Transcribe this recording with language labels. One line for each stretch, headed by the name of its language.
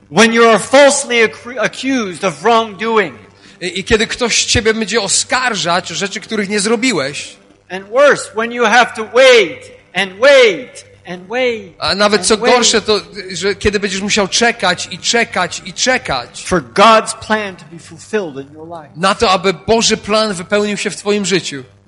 English: When you are falsely accused of wrongdoing.
Polish: I kiedy ktoś ciebie będzie oskarżać o rzeczy, których nie zrobiłeś.
English: And worse, when you have to wait and wait and wait.
Polish: A nawet co gorsze, to że kiedy będziesz musiał czekać i czekać i czekać.
English: For God's plan to be fulfilled in your life.
Polish: Na to, aby Boży plan wypełnił się w twoim życiu.